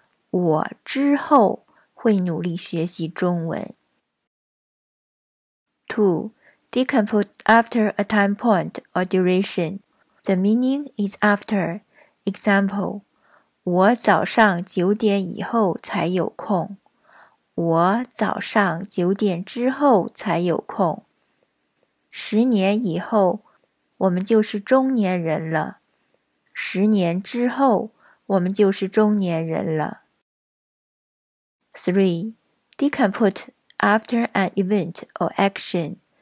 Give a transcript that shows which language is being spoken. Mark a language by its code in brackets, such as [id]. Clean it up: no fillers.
[zh] 我之后会努力学习中文。 2. [en] They can put after a time point or duration. The meaning is after. Example, [zh] 我早上九点以后才有空。我早上九点之后才有空。十年以后，我们就是中年人了。十年之后，我们就是中年人了。 3. [en] They can put after an event or action.